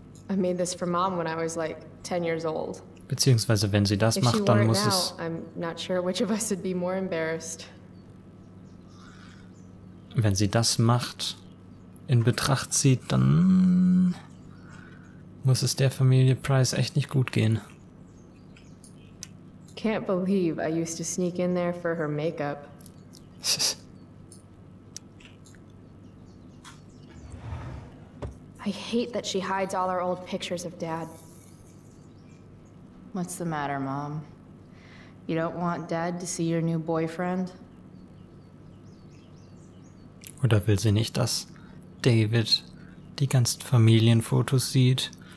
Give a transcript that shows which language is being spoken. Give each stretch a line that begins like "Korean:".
English: I made this for Mom when I was like 10 years old.
German: Beziehungsweise, wenn sie das macht, dann muss es...
English: I'm not sure which of us would be more embarrassed.
German: Wenn sie das macht, in Betracht zieht, dann... muss es der Familie Price echt nicht gut gehen.
English: Can't believe I used to sneak in there for her makeup. I hate that she hides all our old pictures of Dad. What's the matter, Mom? You don't want Dad to see your new boyfriend?
German: Oder will sie nicht, dass David die ganzen Familienfotos sieht?